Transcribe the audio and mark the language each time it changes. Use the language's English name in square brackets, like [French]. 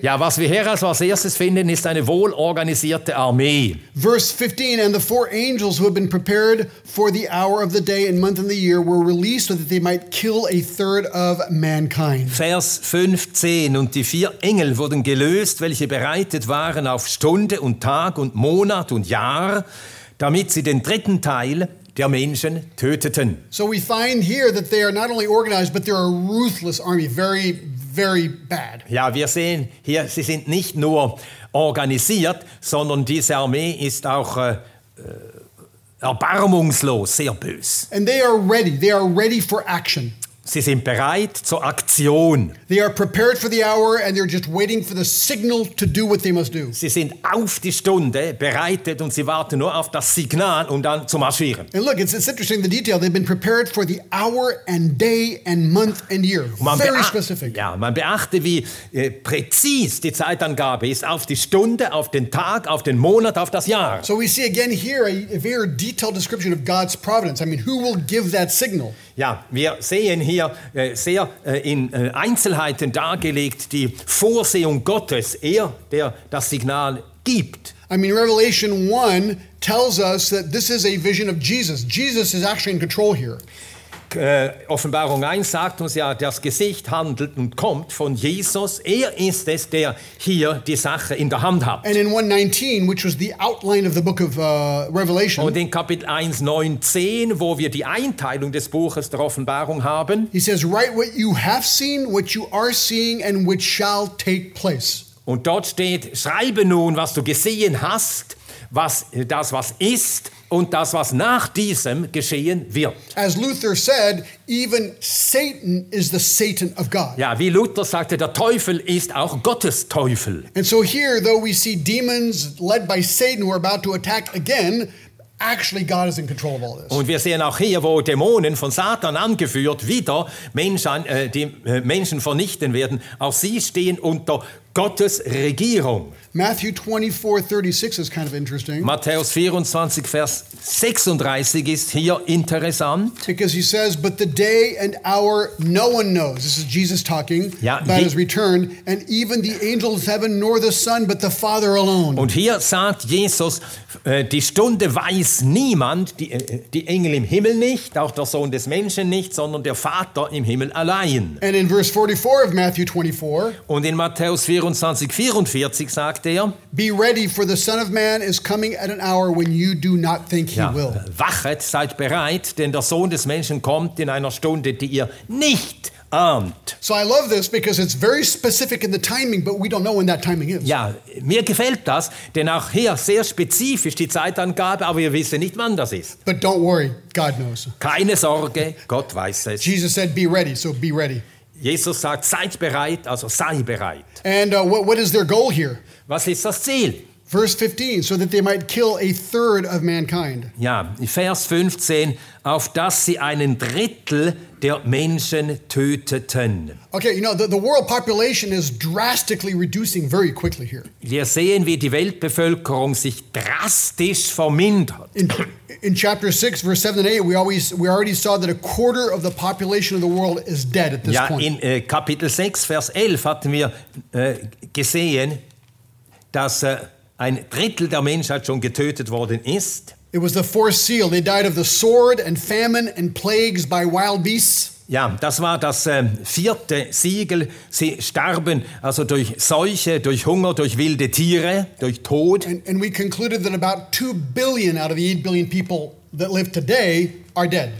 [German] Ja, was wir hier als erstes finden, ist eine wohlorganisierte Armee. [English] Verse 15, and the four angels who had been prepared for the hour of the day and month and the year were released so that they might kill a third of mankind. [German] Vers 15, und die vier Engel wurden gelöst, welche bereitet waren auf Stunde und Tag und Monat und Jahr, damit sie den dritten Teil der Menschen töteten. [English] So we find here that they are not only organized, but they're a ruthless army, very, very bad. [German] Ja, wir sehen hier, sie sind nicht nur organisiert, sondern diese Armee ist auch erbarmungslos, sehr bös. [English] And they are ready for action. [German] Sie sind bereit zur Aktion. [English] They are prepared for the hour and they're just waiting for the signal to do what they must do. [German] Sie sind auf die Stunde bereitet und sie warten nur auf das Signal, um dann zu marschieren. [English] And look, it's interesting the detail. They've been prepared for the hour and day and month and year. Very specific. [German] Ja, man beachte, wie präzis die Zeitangabe ist. Auf die Stunde, auf den Tag, auf den Monat, auf das Jahr. [English] So we see again here a very detailed description of God's providence. I mean, who will give that signal? [German] Ja, wir sehen hier sehr in Einzelheiten dargelegt die Vorsehung Gottes, er, der das Signal gibt. [English] I mean, Revelation 1 tells us that this is a vision of Jesus. Jesus is actually in control here. [German] Offenbarung 1 sagt uns ja, das Gesicht handelt und kommt von Jesus. Er ist es, der hier die Sache in der Hand hat. [English] And in 1:19, which was the outline of the book of Revelation. [German] Und in Kapitel 1:19, wo wir die Einteilung des Buches der Offenbarung haben. [English] He says, write what you have seen, what you are seeing, and which shall take place. [German] Und dort steht, schreibe nun, was du gesehen hast, was ist. Und das, was nach diesem geschehen wird. [English] As Luther said, even Satan is the Satan of God. [German] Ja, wie Luther sagte, der Teufel ist auch Gottes Teufel. [English] And so here, though we see demons led by Satan who are about to attack again, actually God is in control of all this. [German] Und wir sehen auch hier, wo Dämonen von Satan angeführt wieder Menschen vernichten werden. Auch sie stehen unter Gottes Regierung. [English] Matthew 24:36 is kind of interesting. [German] Matthäus 24, Vers 36 ist hier interessant. [English] Because he says, but the day and hour no one knows. This is Jesus talking about his return. And even the angels of heaven nor the Son, but the Father alone. [German] Und hier sagt Jesus, die Stunde weiß niemand, die Engel im Himmel nicht, auch der Sohn des Menschen nicht, sondern der Vater im Himmel allein. [English] And in verse 44 of Matthew 24. [German] Und in Matthäus 24, 24, 44 sagt er: [English] Be ready, for the Son of Man is coming at an hour when you do not think he will. [German] Wachet, seid bereit, denn der Sohn des Menschen kommt in einer Stunde, die ihr nicht ahnt. [English] So I love this because it's very specific in the timing, but we don't know when that timing is. [German] Ja, mir gefällt das, denn auch hier sehr spezifisch die Zeitangabe, aber wir wissen nicht, wann das ist. [English] But don't worry, God knows. [German] Keine Sorge, Gott weiß es. [English] Jesus said, be ready, so be ready. [German] Jesus sagt, seid bereit, also sei bereit. [English] And what is their goal here? [German] Was ist das Ziel? [English] Verse 15, so that they might kill a third of mankind. [German] Ja, Vers 15, auf dass sie einen Drittel der Menschen töteten. [English] Okay, you know, the world population is drastically reducing very quickly here. [German] Wir sehen, wie die Weltbevölkerung sich drastisch vermindert. [English] In chapter 6, verse 7 and 8, we already saw that a quarter of the population of the world is dead at this [German] ja, [English] point. [German] Ja, in Kapitel 6, Vers 11 hatten wir gesehen, dass ein Drittel der Menschheit schon getötet worden ist. [English] It was the fourth seal. They died of the sword and famine and plagues by wild beasts. [German] Ja, das war das vierte Siegel. Sie starben also durch Seuche, durch Hunger, durch wilde Tiere, durch Tod. [English] And we concluded that about 2 billion out of the 8 billion people that live today are dead.